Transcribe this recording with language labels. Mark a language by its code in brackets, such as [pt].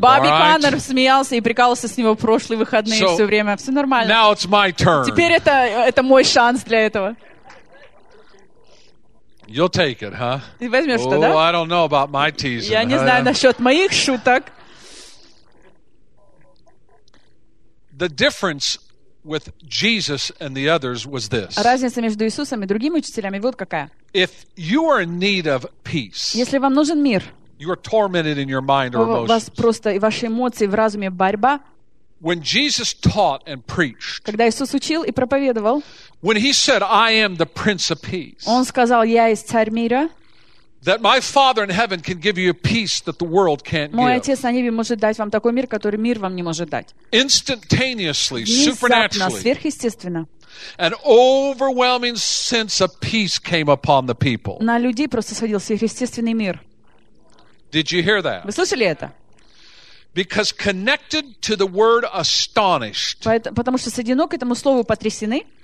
[ru] Bobby Connor смеялся и прикалывался с него прошлые выходные все время. Все нормально. [en] Now it's my turn. [ru] Теперь это мой шанс для этого. [en] You'll take it, huh? [ru] Ты возьмешь это, да? [en] Oh, I don't know about my teasing. [ru] Я не знаю насчет моих шуток. [en] The difference with Jesus and the others was this. [ru] Разница между Иисусом и другими учителями вот какая. [en] If you are in need of peace. [ru] Если вам нужен мир. [en] You are tormented in your mind or emotions. [ru] У вас просто и ваши эмоции в разуме борьба. [en] When Jesus taught and preached. [ru] Когда Иисус учил и проповедовал. [en] When he said, "I am the Prince of Peace." [ru] Он сказал, "Я есть царь мира." [en] That my Father in heaven can give you a peace that the world can't give. [ru] Мой отец на небе может дать вам такой мир, который мир вам не может дать. [en] Instantaneously, supernaturally. [ru] Сверхъестественно. [en] An overwhelming sense of peace came upon the people. [ru] На людей просто сходил сверхъестественный мир. [en] Did you hear that? [ru] Вы слышали это? [en] Because connected to the word astonished. [ru] Потому что соединено к этому слову потрясены.